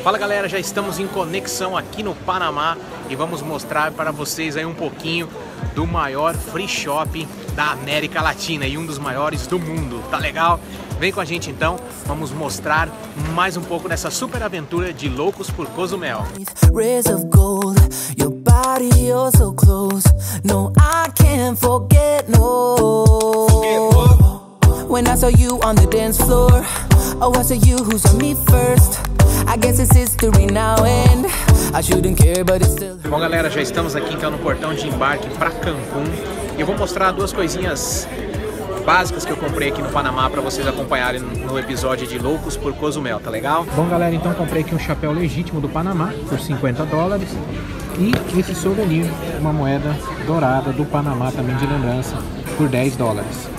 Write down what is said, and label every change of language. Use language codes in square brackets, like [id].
[pt] Fala galera, já estamos em conexão aqui no Panamá e vamos mostrar para vocês aí um pouquinho do maior free shop da América Latina e um dos maiores do mundo, tá legal? Vem com a gente então, vamos mostrar mais um pouco dessa super aventura de loucos por Cozumel. [en] Rays of gold, your body you're so close, no I can't forget no. When I saw you on the dance floor, oh I saw you who saw me first. I guess it's history now and I shouldn't care, but it's still. [pt] Bom galera, já estamos aqui então no portão de embarque para Cancún. E eu vou mostrar duas coisinhas básicas que eu comprei aqui no Panamá para vocês acompanharem no episódio de Loucos por Cozumel, tá legal? Bom galera, então comprei aqui um chapéu legítimo do Panamá por 50 dólares e esse souvenir, uma moeda dourada do Panamá também de lembrança por 10 dólares.